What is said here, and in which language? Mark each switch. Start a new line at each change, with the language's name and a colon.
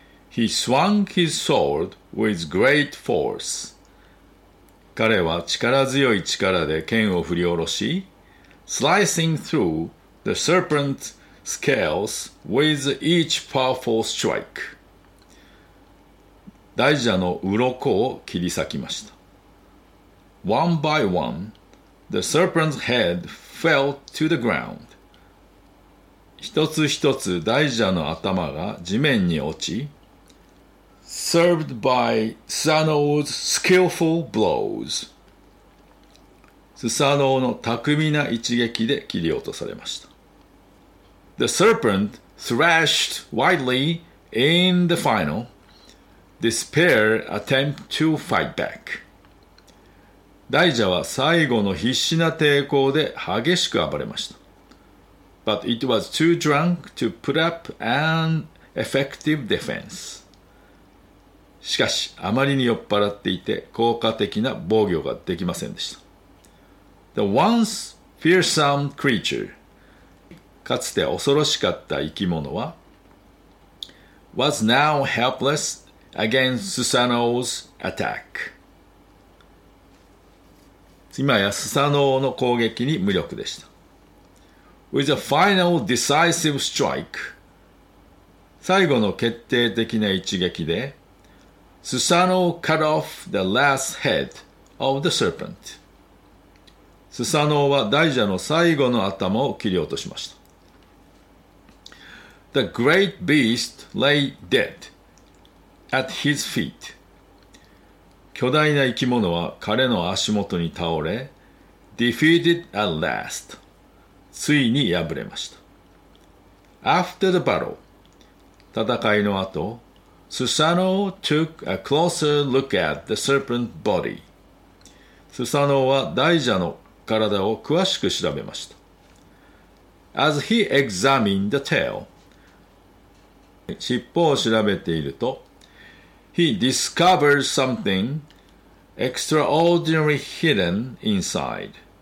English: He swung his sword with great force、
Japanese: 彼は力強い力で剣を振り下ろし、
English: Slicing through the serpent'sScales with each powerful strike.
Japanese: 大蛇の鱗を切り裂きました。
English: One by one, the serpent's head fell to the ground.
Japanese: 一つ一つ大蛇の頭が地面に落ち、
English: Served by Susano's skillful blows.
Japanese: スサノオの巧みな一撃で切り落とされました。
English: The serpent thrashed wildly in the final despair attempt to fight back.
Japanese: 大蛇は最後の必死な抵抗で激しく暴れました。
English: But it was too drunk to put up an effective defense.
Japanese: しかしあまりに酔っ払っていて効果的な防御ができませんでした。
English: The once fearsome creature、
Japanese: かつて恐ろしかった生き物は、
English: was now helpless against Susano's attack。
Japanese: 今やスサノオの攻撃に無力でした。
English: With a final decisive strike、
Japanese: 最後の決定的な一撃で、
English: Susano cut off the last head of the serpent。
Japanese: スサノオは大蛇の最後の頭を切り落としました。
English: The great beast lay dead at his feet.
Japanese: 巨大な生き物は彼の足元に倒れ、
English: defeated at last.
Japanese: ついに敗れました。
English: After the battle,
Japanese: 戦いの後、
English: Susano took a closer look at the serpent body.
Japanese: スサノオは大蛇の体を詳しく調べました。
English: As he examined the tail,
Japanese: 尻尾を調べていると、
English: He discovered something extraordinary hidden inside.